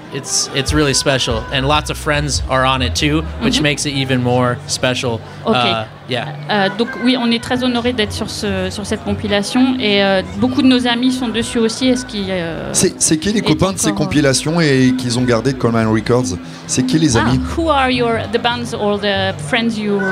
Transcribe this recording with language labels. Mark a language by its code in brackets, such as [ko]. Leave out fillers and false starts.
[en] It's really special, and lots of friends are on it too, which mm-hmm. makes it even more special. Okay. Yeah. [fr] Donc oui, on est très honoré d'être sur cette compilation, et beaucoup de nos amis sont dessus aussi. Est-ce qu'il C'est qui les copains de ces compilations et qu'ils ont gardé de Coal Mine Records? C'est qui les amis? [en] Who are the bands or the friends you